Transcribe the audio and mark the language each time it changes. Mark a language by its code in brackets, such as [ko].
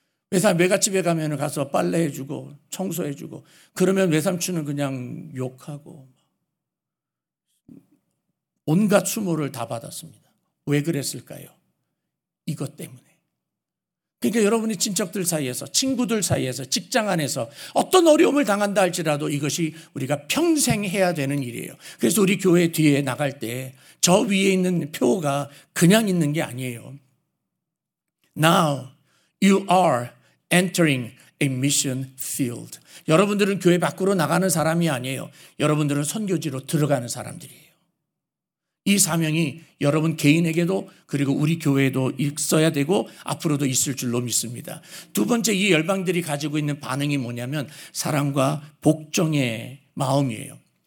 [ko] 외갓집에 가면 가서 빨래해주고 청소해주고 그러면 외삼촌은 그냥 욕하고 온갖 수모를 다 받았습니다. 왜 그랬을까요? 이것 때문에. 그러니까 여러분이 친척들 사이에서 친구들 사이에서 직장 안에서 어떤 어려움을 당한다 할지라도 이것이 우리가 평생 해야 되는 일이에요. 그래서 우리 교회 뒤에 나갈 때 저 위에 있는 표가 그냥 있는 게 아니에요. [en] Now you are entering a mission field. [ko] 여러분들은 교회 밖으로 나가는 사람이 아니에요. 여러분들은 선교지로 들어가는 사람들이에요. 이 사명이 여러분 개인에게도 그리고 우리 교회에도 있어야 되고 앞으로도 있을 줄로 믿습니다. 두 번째 이 열방들이 가지고 있는 반응이 뭐냐면 사랑과 복종의 마음이에요.